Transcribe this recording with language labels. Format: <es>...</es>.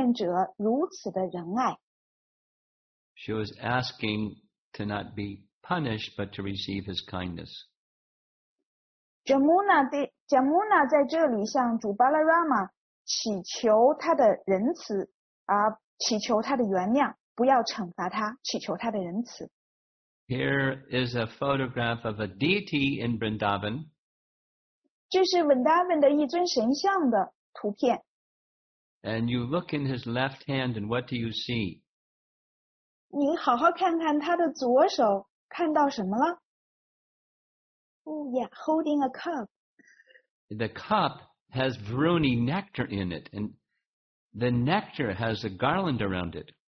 <zh>你总是对你的奉献者如此的仁爱。</zh> <en>She was asking to not be punished but to receive his kindness.</en> <zh>Yamuna 在这里向主 Balarama 祈求他的仁慈。祈求他的原谅，不要惩罚他，祈求他的仁慈。</zh> <en>Here is a photograph of a deity in Vrindavan.</en> <zh>这是Vrindavan的一尊神像的图片。And</zh> <en>you look in his left hand, and what do you see?</en> <zh>你好好看看他的左手，看到什么了？</zh> <en>Oh yeah, holding a cup. The cup has Vruni nectar in it, and the nectar has a garland around it.</en>